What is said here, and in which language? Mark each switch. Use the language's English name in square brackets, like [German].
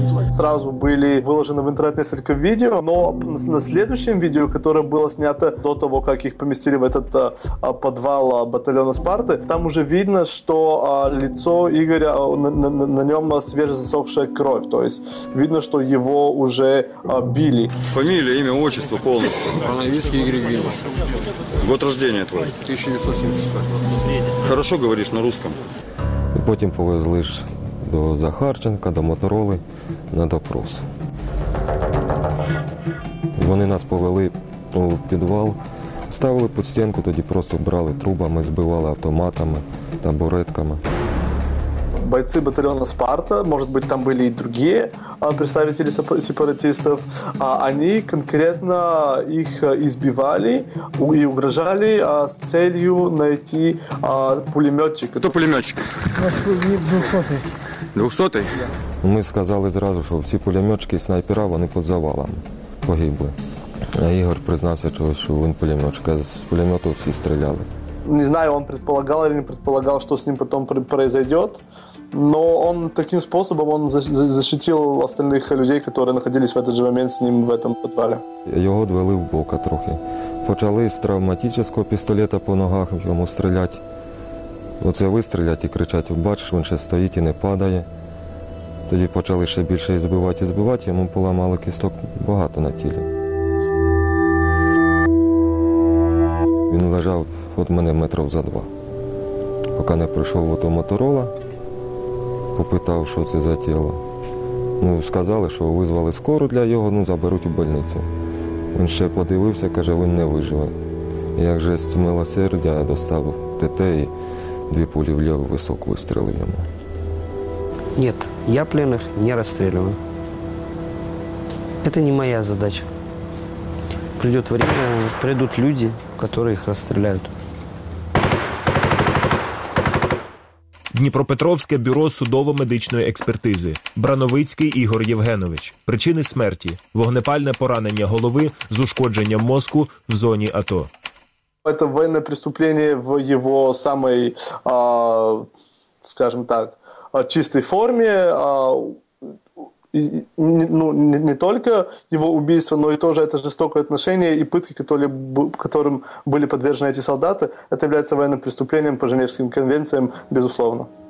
[Russian] сразу были выложены в интернет несколько видео, но на следующем видео, которое было снято до того, как их поместили в этот подвал батальона Спарты, там уже видно, что лицо Игоря, на нем свежезасохшая кровь, то есть видно, что его уже били. Фамилия, имя, отчество полностью. Пановицкий Игорь Евгеньевич. Год рождения твой. 1976. Хорошо говоришь на русском. И потом повезли ж до Захарченка, до Мотороли на допрос. [Ukrainian] Вони нас повели у підвал, ставили під стінку, тоді просто брали трубами, збивали автоматами, табуретками. [Russian] Бойцы батальона «Спарта», может быть, там были и другие представители сепаратистов, они конкретно их избивали и угрожали с целью найти пулеметчика. Кто пулеметчик? 200-й. 200-й? Мы сказали сразу, что все пулеметчики и снайпера, они под завалом погибли. А Игорь признался, что он пулеметчик, а с пулемета все стреляли. Не знаю, он предполагал или не предполагал, что с ним потом произойдет. Но он таким способом он защитил остальных людей, которые находились в этот же момент с ним в этом подвале. Его отвели в бока трохи. Почали с травматического пистолета по ногах ему стрелять. Вот это выстрелять и кричать, бачишь, он сейчас стоит и не падает. [Ukrainian] Тоді почали ще більше і збивати, йому поламало кісток багато на тілі. Він лежав від мене метрів за два. Поки не прийшов до Моторола, попитав, що це за тіло. Ну, сказали, що визвали скору для його, ну, заберуть у больницю. Він ще подивився, каже, він не виживе. І як жесть милосердя, я достав ТТ і дві пулі в ліву висок вистрілив йому. [Russian] Нет, я пленных не расстреливаю. Это не моя задача. Придет время, придут люди, которые их расстреляют. [Ukrainian] Дніпропетровське бюро судово-медичної експертизи. Брановицький Ігор Євгенович. Причини смерті: вогнепальне поранення голови з ушкодженням мозку в зоні АТО. [Russian] Это военное преступление в его самой, скажем так, чистой форме, не только его убийство, но и тоже это жестокое отношение и пытки, которым были подвержены эти солдаты, это является военным преступлением по Женевским конвенциям, безусловно.